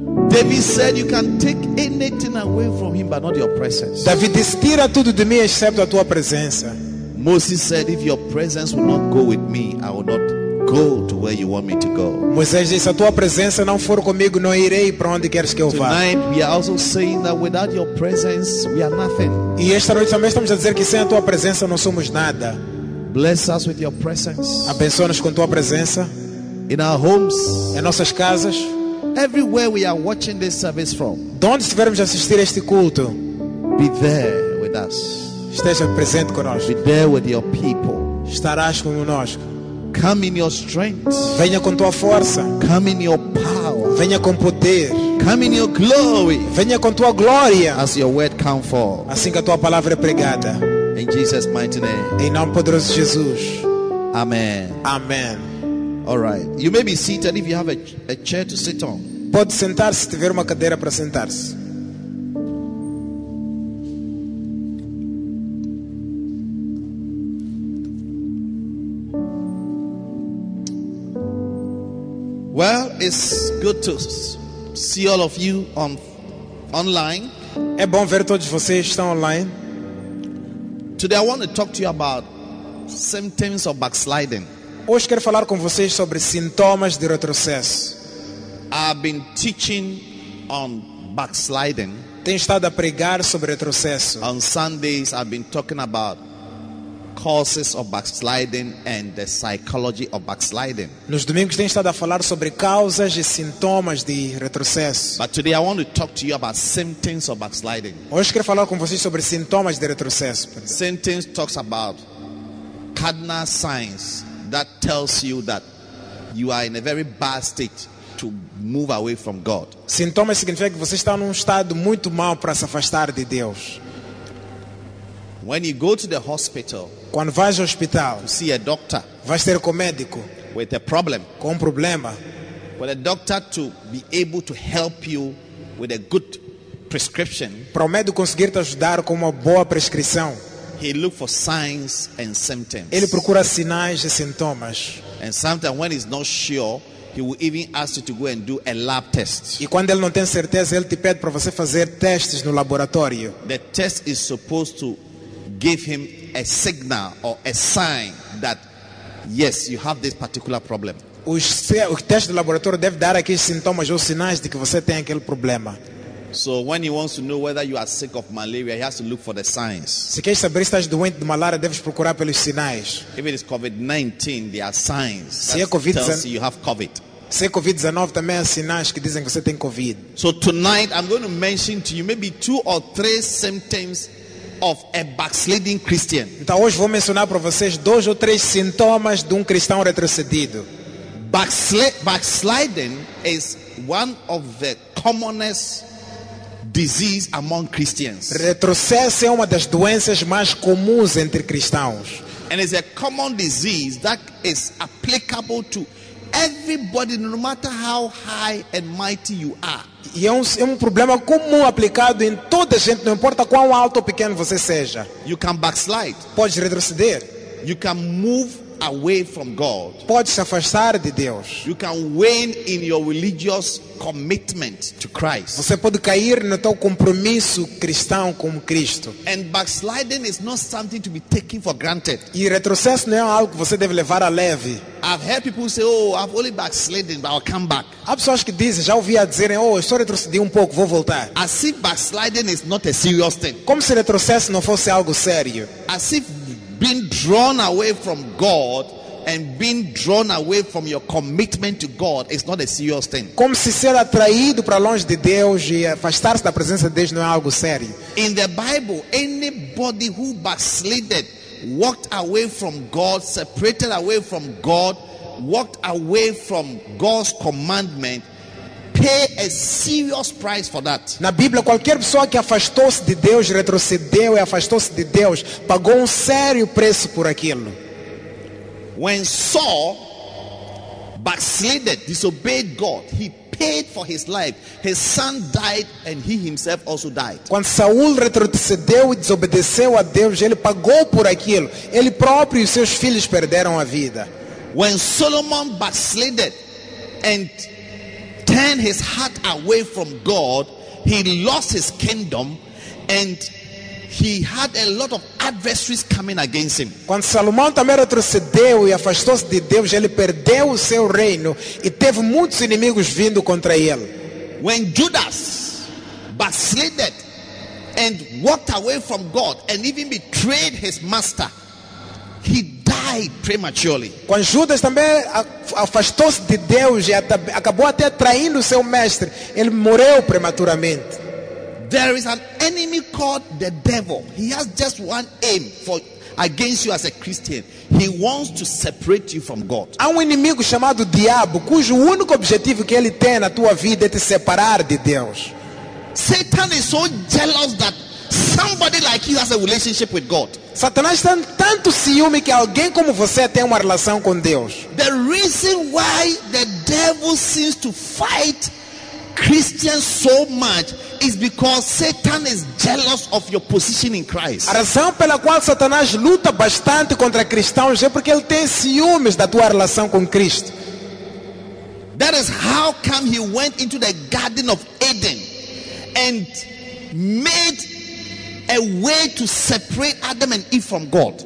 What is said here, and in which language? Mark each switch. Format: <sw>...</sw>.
<en>David said, "You can take anything away from him, but not your presence."</en> <pt>David disse, tira tudo de mim, exceto a tua presença.</pt> <en>Moses said, "If your presence will not go with me, I will not go to where you want me to go."</en> <pt>Moisés disse, a tua presença não for comigo, não irei para onde queres que eu vá.</pt> <en>Tonight we are also saying that without your presence, we are nothing.</en> <pt>E esta noite também estamos a dizer que sem a tua presença não somos nada.</pt> <en>Bless us with your presence.</en> <pt>Abençoa-nos com tua presença.</pt> <en>In our homes,</en> <pt>em nossas casas.</pt> <en>Everywhere we are watching this service from.</en> <pt>De onde estivermos a assistir este culto.</pt> <en>Be there with us.</en> <pt>Esteja presente conosco.</pt> <en>Be there with your people.</en> <pt>Estarás conosco.</pt> <en>Come in your strength.</en> <pt>Venha com tua força.</pt> <en>Come in your power.</en> <pt>Venha com poder.</pt> <en>Come in your glory.</en> <pt>Venha com tua glória.</pt> <en>As your word come forth.</en> <pt>Assim que a tua palavra é pregada.</pt> <en>In Jesus' mighty name.</en> <pt>Em nome poderoso de Jesus.</pt> <en>Amen.</en> <pt>Amen.</pt> <en>All right. You may be seated if you have a chair to sit on.</en> <pt>Pode sentar-se, tiver uma cadeira para sentar-se.</pt> <en>Well, it's good to see all of you online.</en> <pt>É bom ver todos vocês que estão online.</pt> <en>Today I want to talk to you about symptoms of backsliding.</en> <pt>Hoje quero falar com vocês sobre sintomas de retrocesso.</pt> <en>I've been teaching on backsliding.</en> <pt>Tenho estado a pregar sobre retrocesso.</pt> <en>On Sundays I've been talking about causes of backsliding and the psychology of backsliding.</en> <pt>Nos domingos tenho estado a falar sobre causas e sintomas de retrocesso.</pt> <en>But today I want to talk to you about symptoms of backsliding.</en> <pt>Hoje quero falar com vocês sobre sintomas de retrocesso.</pt> <en>Symptoms talks about cardinal signs that tells you that you are in a very bad state to move away from God.</en> <pt>Sintomas significa que você está num estado muito mau para se afastar de Deus.</pt> <en>When you go to the hospital,</en> <pt>quando vais ao hospital,</pt> <en>to see a doctor,</en> <pt>vais ter com o médico,</pt> <en>with a problem,</en> <pt>com um problema,</pt> <en>for the doctor to be able to help you with a good prescription,</en> <pt>para o médico conseguir te ajudar com uma boa prescrição,</pt> <en>he look for signs and symptoms.</en> <pt>Ele procura sinais e sintomas.</pt> <en>And sometimes when he's not sure, he will even ask you to go and do a lab test.</en> <pt>E quando ele não tem certeza, ele te pede para você fazer testes no laboratório.</pt> <en>The test is supposed to give him a signal or a sign that yes, you have this particular problem.</en> <pt>O teste do laboratório deve dar aqueles sintomas ou sinais de que você tem aquele problema.</pt> <en>So when he wants to know whether you are sick of malaria, he has to look for the signs.</en> <pt>Se queres saber se estás doente de malária, deves procurar pelos sinais.</pt> <en>If it is COVID-19, there are signs that tells you have COVID.</en> <pt>Se é COVID-19, também há sinais que dizem que você tem COVID.</pt> <en>So tonight I'm going to mention to you maybe two or three symptoms of a backsliding Christian.</en> <pt>Então hoje vou mencionar para vocês dois ou três sintomas de cristão retrocedido.</pt> <en>Backsliding is one of the commonest disease among Christians.</en> <pt>Retrocesso é uma das doenças mais comuns entre cristãos.</pt> <en>And it's a common disease that is applicable to everybody, no matter how high and mighty you are.</en> <pt>E é um problema comum aplicado em toda a gente, não importa quão alto ou pequeno você seja.</pt> <en>You can backslide.</en> <pt>Pode retroceder.</pt> <en>You can move away from God.</en> <pt>Pode se afastar de Deus.</pt> <en>You can wane in your religious commitment to Christ.</en> <pt>Você pode cair no teu compromisso cristão com Cristo.</pt> <en>And backsliding is not something to be taken for granted.</en> <pt>E retrocesso não é algo que você deve levar a leve.</pt> <en>I've heard people say, "Oh, I've only backslidden, but I'll come back."</en> <pt>Há pessoas que dizem, já ouvi a dizerem, "Oh, eu só retrocedi pouco, vou voltar."</pt> <en>As if backsliding is not a serious thing.</en> <pt>Como se retrocesso não fosse algo sério.</pt> <en>As if being drawn away from God and being drawn away from your commitment to God is not a serious thing.</en> <pt>Como se ser atraído para longe de Deus e afastar-se da presença de Deus não é algo sério.</pt> <en>In the Bible, anybody who backslided, walked away from God, separated away from God, walked away from God's commandment pay a serious price for that.</en> <pt>Na Bíblia, qualquer pessoa que afastou-se de Deus, retrocedeu e afastou-se de Deus, pagou sério preço por aquilo.</pt> <en>When Saul backslided, disobeyed God, he paid for his life. His son died and he himself also died.</en> <pt>Quando Saul retrocedeu e desobedeceu a Deus, ele pagou por aquilo. Ele próprio e seus filhos perderam a vida.</pt> <en>When Solomon backslided and turned his heart away from God, he lost his kingdom and he had a lot of adversaries coming against him.</en> <pt>Quando Salomão também retrocedeu e afastou-se de Deus, ele perdeu o seu reino e teve muitos inimigos vindo contra ele.</pt> <en>When Judas backslided and walked away from God and even betrayed his master, he died prematurely.</en> <pt>Quando Judas também afastou-se de Deus e acabou até traindo o seu mestre, ele morreu prematuramente.</pt> <en>There is an enemy called the devil. He has just one aim for against you as a Christian. He wants to separate you from God.</en> <pt>Há inimigo chamado diabo, cujo único objetivo que ele tem na tua vida é te separar de Deus.</pt> <en>Satan is so jealous that somebody like you has a relationship with God.</en> <pt>Satanás tem tanto ciúme que alguém como você tem uma relação com Deus.</pt> <en>The reason why the devil seems to fight Christians so much is because Satan is jealous of your position in Christ.</en> <pt>A razão pela qual Satanás luta bastante contra cristãos é porque ele tem ciúmes da tua relação com Cristo.</pt> <en>That is how come he went into the Garden of Eden and made a way to separate Adam and Eve from God.</en>